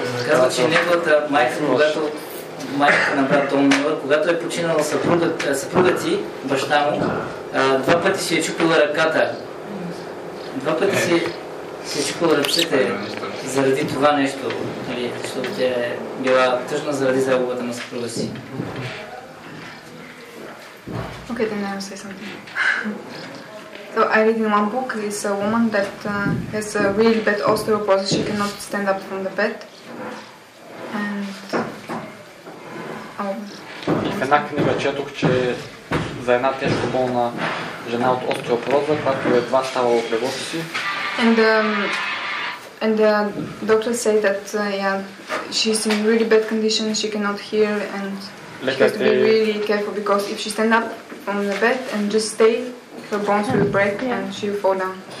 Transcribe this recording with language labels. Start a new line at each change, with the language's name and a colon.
Bulgarian: Казва, че неговата майка, майка на брата умила, когато е починала съпруга ти, баща му, два пъти си е чупила ръката. Два пъти си е чупила ръцете заради това нещо, защото тя е била тъжна заради загубата на съпруга си.
English: Okay, then I'll say something. So I read in one book, it's a woman that has a really bad osteoporosis. She cannot stand up from the bed. And
Bulgarian: И в една книга четох, че за една тежко болна жена от остеопороза, която едва става от леглото си.
English: And the doctor said that yeah, she's in really bad condition, she cannot hear and she has to be really careful because if she stand up from the bed and just stay, her bones will break and she will fall down.